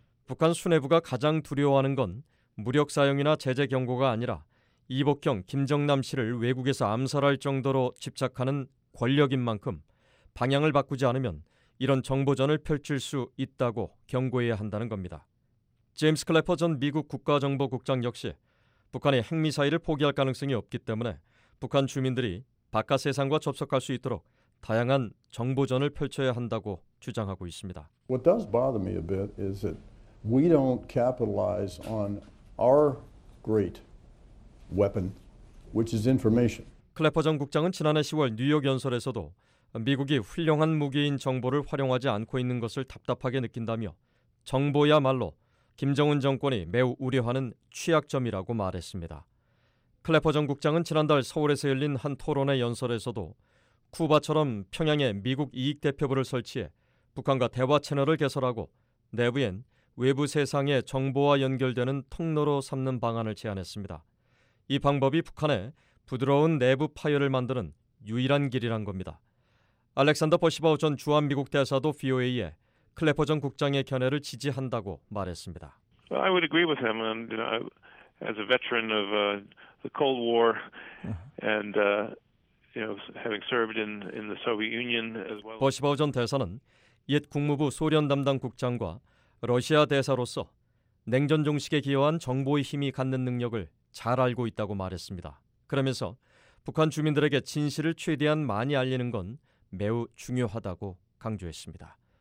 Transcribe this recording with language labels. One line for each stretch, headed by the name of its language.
Korean: 북한 수뇌부가 가장 두려워하는 건 무력 사용이나 제재 경고가 아니라 이복형 김정남 씨를 외국에서 암살할 정도로 집착하는 권력인 만큼 방향을 바꾸지 않으면 이런 정보전을 펼칠 수 있다고 경고해야 한다는 겁니다. 제임스 클래퍼 전 미국 국가정보국장 역시 북한이 핵미사일을 포기할 가능성이 없기 때문에 북한 주민들이 바깥 세상과 접속할 수 있도록 다양한 정보전을 펼쳐야 한다고 주장하고 있습니다.
English: What does bother me a bit is that we don't capitalize on our great weapon, which is information.
Korean: 클래퍼 전 국장은 지난해 10월 뉴욕 연설에서도 미국이 훌륭한 무기인 정보를 활용하지 않고 있는 것을 답답하게 느낀다며 정보야말로 김정은 정권이 매우 우려하는 취약점이라고 말했습니다. 클래퍼 전 국장은 지난달 서울에서 열린 한 토론회 연설에서도 쿠바처럼 평양에 미국 이익대표부를 설치해 북한과 대화 채널을 개설하고 내부엔 외부 세상의 정보와 연결되는 통로로 삼는 방안을 제안했습니다. 이 방법이 북한에 부드러운 내부 파열을 만드는 유일한 길이란 겁니다. 알렉산더 버시바우 전 주한미국 대사도 VOA에 클래퍼 전 국장의 견해를 지지한다고 말했습니다.
English: Well, I would agree with him. And, you know, as a veteran of the Cold War and you know, having served in the Soviet Union as well.
Korean: 버시바우 전 대사는 옛 국무부 소련 담당 국장과 러시아 대사로서 냉전 종식에 기여한 정보의 힘이 갖는 능력을 잘 알고 있다고 말했습니다. 그러면서 북한 주민들에게 진실을 최대한 많이 알리는 건 매우 중요하다고 강조했습니다.